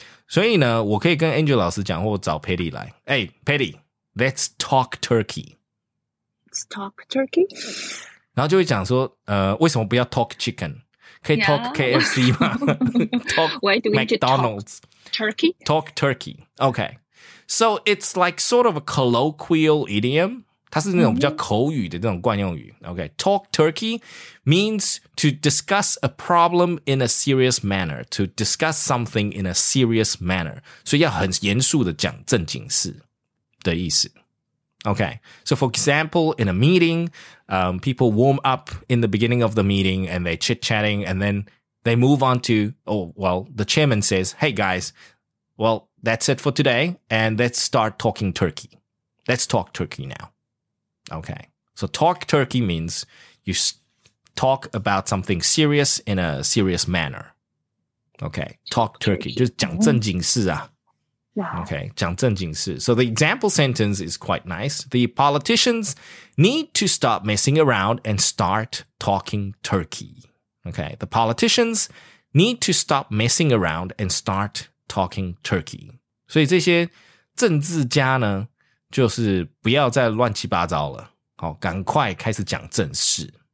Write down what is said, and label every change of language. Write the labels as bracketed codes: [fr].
[zh] 所以呢,我可以跟 Angel 老师讲,或找 Patty 来。 [en] Hey, Patty, let's talk turkey. Let's talk turkey? [zh] 然后就会讲说,为什么不要 [en] talk chicken? [zh] 可以 [en] talk KFC [zh] 吗?talk [en] Why do we McDonald's. Need to talk turkey? Talk turkey. Okay. So it's like sort of a colloquial idiom. [zh] 它是那种比较口语的那种惯用语。 [en] Okay, talk turkey means to discuss a problem in a serious manner, to discuss something in a serious manner. [zh] 所以要很严肃的讲正经事的意思。 [en] Okay, so for example, in a meeting, people warm up in the beginning of the meeting and they chit-chatting and then they move on to, the chairman says, hey guys, well,That's it for today, and let's start talking turkey. Let's talk turkey now. Okay. So talk turkey means you talk about something serious in a serious manner. Okay. Talk turkey. Just [zh] 讲正经事啊. [en] Okay. [zh] 讲正经事. [en] So the example sentence is quite nice. The politicians need to stop messing around and start talking turkey. Okay. The politicians need to stop messing around and start talking turkey. [zh] 所以这些政治家呢，就是不要再乱七八糟了，好，赶快开始讲正事。